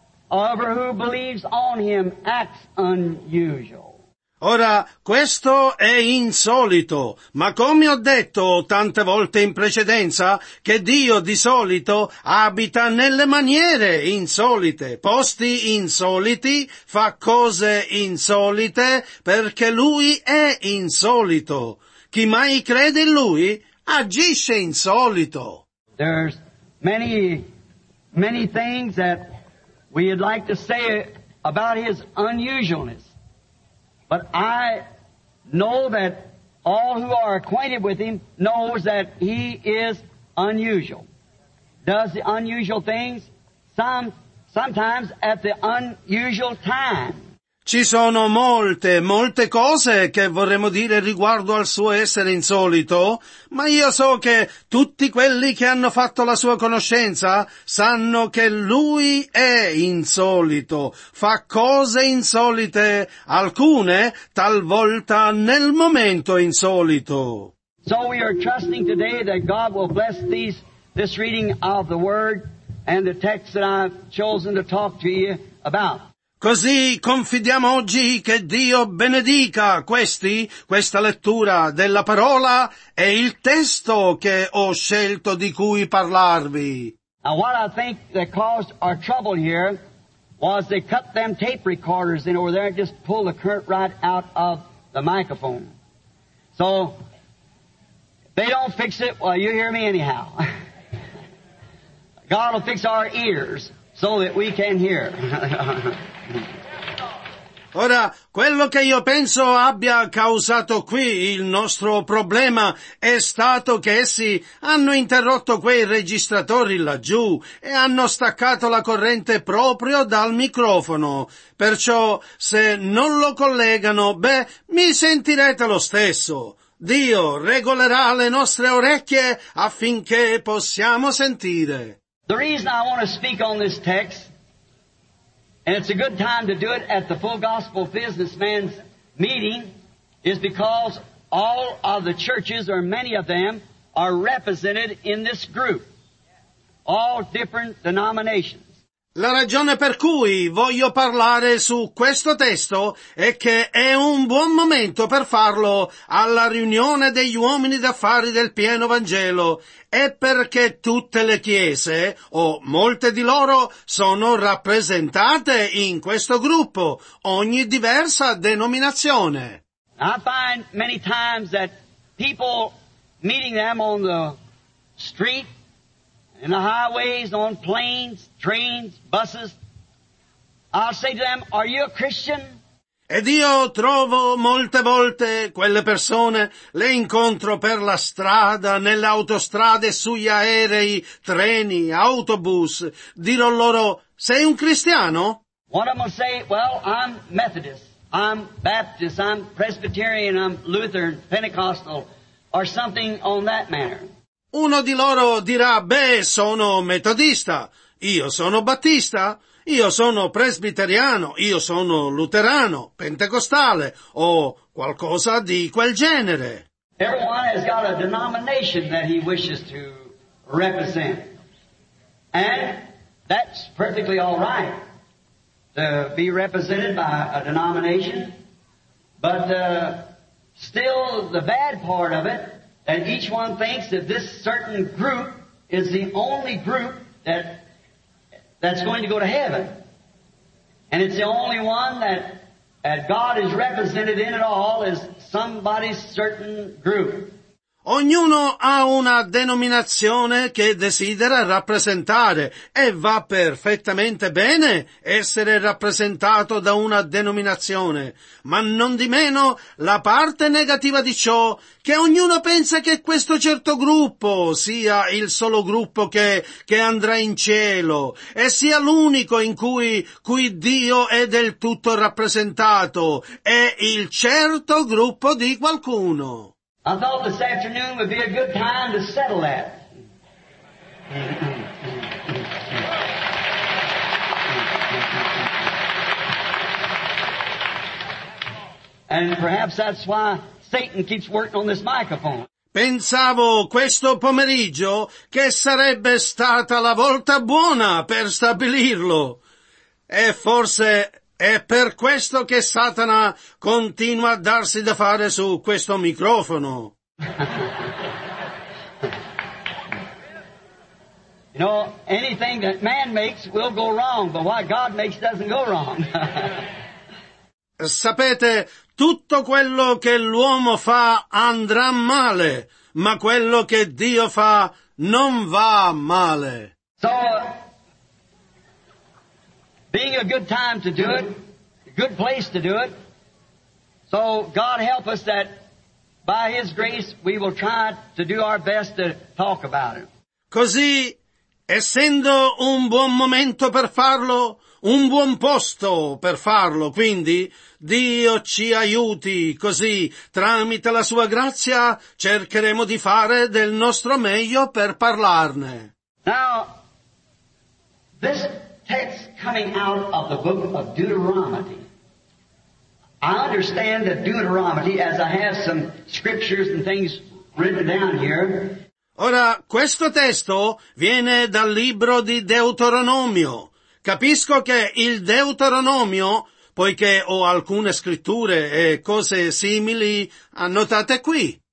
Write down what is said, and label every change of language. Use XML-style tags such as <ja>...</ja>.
<en>However, who believes on him acts unusual.</en> <it>Ora, questo è insolito, ma come ho detto tante volte in precedenza, che Dio di solito abita nelle maniere insolite, posti insoliti, fa cose insolite, perché Lui è insolito. Chi mai crede in Lui, agisce insolito.</it> <en>There's many, many things that we'd like to say about His unusualness. But I know that all who are acquainted with him knows that he is unusual. Does the unusual things, sometimes at the unusual time.</en> <it>Ci sono molte, molte cose che vorremmo dire riguardo al suo essere insolito, ma io so che tutti quelli che hanno fatto la sua conoscenza sanno che lui è insolito, fa cose insolite, alcune talvolta nel momento insolito.</it> <en>So we are trusting today that God will bless this reading of the Word and the text that I've chosen to talk to you about.</en> <it>Così confidiamo oggi che Dio benedica questa lettura della parola e il testo che ho scelto di cui parlarvi.</it> <en>Now what I think that caused our trouble here was they cut them tape recorders in over there and just pulled the current right out of the microphone. So they don't fix it, well, you hear me anyhow. God will fix our ears so that we can hear.</en> <it>Ora, quello che io penso abbia causato qui il nostro problema è stato che essi hanno interrotto quei registratori laggiù e hanno staccato la corrente proprio dal microfono. Perciò, se non lo collegano, beh, mi sentirete lo stesso. Dio regolerà le nostre orecchie affinché possiamo sentire.</it> <en>The reason I want to speak on this text, and it's a good time to do it at the Full Gospel Businessman's meeting, is because all of the churches, or many of them, are represented in this group. All different denominations.</en> <it>La ragione per cui voglio parlare su questo testo è che è un buon momento per farlo alla riunione degli uomini d'affari del Pieno Vangelo, è perché tutte le chiese, o molte di loro, sono rappresentate in questo gruppo, ogni diversa denominazione.</it> <en>I find many times that people meeting them on the street, in the highways, on planes, trains, buses, I'll say to them, are you a Christian?</en> <it>Ed io trovo molte volte quelle persone, le incontro per la strada, nelle autostrade, sugli aerei, treni, autobus, dirò loro, sei un cristiano?</it> <en>One of them will say, well, I'm Methodist, I'm Baptist, I'm Presbyterian, I'm Lutheran, Pentecostal, or something on that manner.</en> <it>Uno di loro dirà, beh, sono metodista, io sono battista, io sono presbiteriano, io sono luterano, pentecostale, o qualcosa di quel genere.</it> <en>Everyone has got a denomination that he wishes to represent. And that's perfectly all right to be represented by a denomination. But still the bad part of it, and each one thinks that this certain group is the only group that's going to go to heaven. And it's the only one that God is represented in at all is somebody's certain group.</en> <it>Ognuno ha una denominazione che desidera rappresentare e va perfettamente bene essere rappresentato da una denominazione, ma non di meno la parte negativa di ciò che ognuno pensa che questo certo gruppo sia il solo gruppo che andrà in cielo e sia l'unico in cui Dio è del tutto rappresentato, è il certo gruppo di qualcuno.</it> <en>I thought this afternoon would be a good time to settle that. And perhaps that's why Satan keeps working on this microphone.</en> <it>Pensavo questo pomeriggio che sarebbe stata la volta buona per stabilirlo. E forse è per questo che Satana continua a darsi da fare su questo microfono.</it> <en>You know, anything that man makes will go wrong, but what God makes doesn't go wrong.</en> <it>Sapete, tutto quello che l'uomo fa andrà male, ma quello che Dio fa non va male.</it> <en>So, being a good time to do it, a good place to do it, so God help us that by His grace we will try to do our best to talk about it.</en> <it>Così, essendo un buon momento per farlo, un buon posto per farlo, quindi, Dio ci aiuti, così, tramite la Sua grazia, cercheremo di fare del nostro meglio per parlarne.</it> <en>Now, this text coming out of the book of Deuteronomy. I understand that Deuteronomy, as I have some scriptures and things written down here.</en> <it>Ora, questo testo viene dal libro di Deuteronomio. Capisco che il Deuteronomio, poiché ho alcune scritture e cose simili annotate qui.</it>